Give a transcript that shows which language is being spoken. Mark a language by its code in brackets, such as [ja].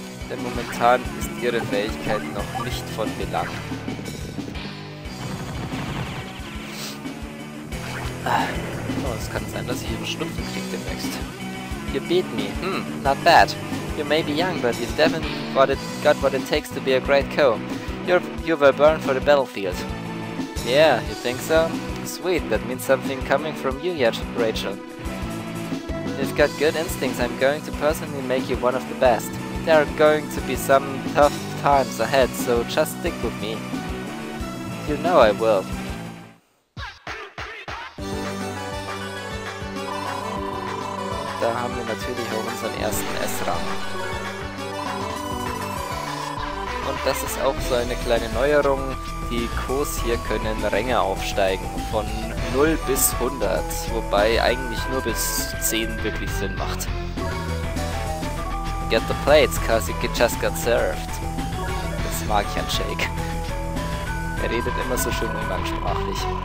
[de] Denn momentan ist ihre Fähigkeit noch nicht von Belang. Oh, es kann sein, dass ich einen Schnupfen kriege demnächst. [en] You beat me. Not bad. You may be young, but you've definitely got what it takes to be a great co. You were born for the battlefield. Yeah, you think so? Sweet, that means something coming from you yet, Rachel. You've got good instincts, I'm going to personally make you one of the best. There are going to be some tough times ahead, so just stick with me. You know I will. [de] Da haben wir natürlich auch unseren ersten S-Rang. Und das ist auch so eine kleine Neuerung. Die Kurs hier können Ränge aufsteigen von 0 bis 100, wobei eigentlich nur bis 10 wirklich Sinn macht. [en] Get the plates, cause you just got served. [de] Das mag ich an Jake. Er redet immer so schön umgangssprachlich.